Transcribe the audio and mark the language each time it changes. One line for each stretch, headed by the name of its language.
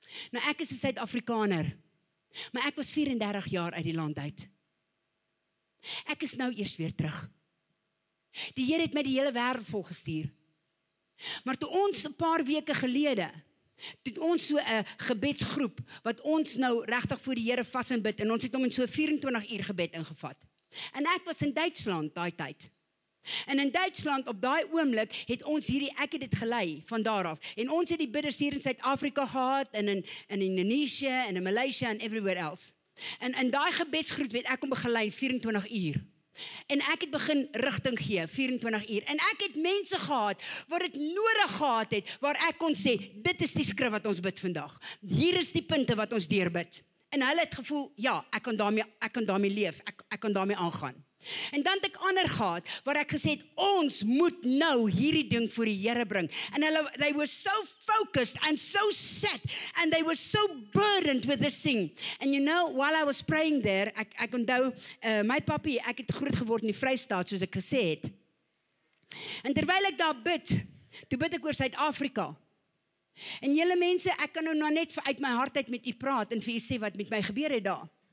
Afrikaans: Nou ek is 'n Suid-Afrikaner. Maar ek was 34 jaar uit die land uit. Ek is nou eers weer terug. Die Here het my die hele wêreld vol gestuur. Maar toe ons 'n paar weke gelede het ons so 'n gebedsgroep wat ons nou regtig voor die Here vas en bid en ons het hom in so 24 uur gebed ingevat. En ek was in Duitsland daai tyd. En in Duitsland op daai oomblik het ons hierdie ek het dit gelei van daar af. En ons het die bidders hier in Suid-Afrika gehad en in Indonesië en in Maleisië en
English: everywhere else.
Afrikaans: En in daai gebedsgroep het ek hom begelei 24 uur. En ek het begin rigting gee 24 uur. En ek het mense gehad wat dit nodig gehad het waar ek kon sê dit is die skrif wat ons bid vandag. Hier is die punte wat ons deurbid. En hulle het gevoel ja, ek kan daarmee leef. Ek kan daarmee aangaan. En dan het ek ander gehad, waar ek gesê het, ons moet nou hierdie ding voor die Here bring. En hulle,
English: they were so focused and so set, and they were so burdened with this thing. And you know, while I was praying there,
Afrikaans: ek onthou, my papi, ek het groot geword in die Vrystaat, soos ek gesê het. En terwyl ek daar bid, toe bid ek oor Suid-Afrika. En julle mense, ek kan nou net uit my hart uit met u praat, en vir u sê wat met my gebeur het daar.